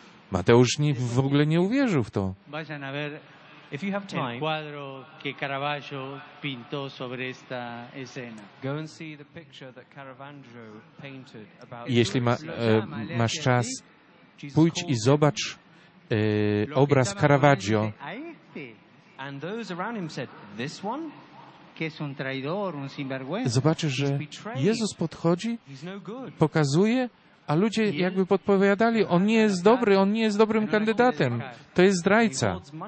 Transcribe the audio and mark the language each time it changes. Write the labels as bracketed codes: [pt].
[pl] Mateusz w ogóle nie uwierzył w to. [en] If you have time, [es] el cuadro que Caravaggio pintó sobre esta escena. [en] Go and see the picture that Caravaggio painted about. [pl] Jeśli masz czas, pójdź i zobacz obraz Caravaggio. [en] And those around him said, "This one? [es] Que es un traidor, un sinvergüenza." [pl] Zobaczysz, że Jezus podchodzi, pokazuje, a ludzie jakby podpowiadali, on nie jest dobry, on nie jest dobrym kandydatem, to jest zdrajca.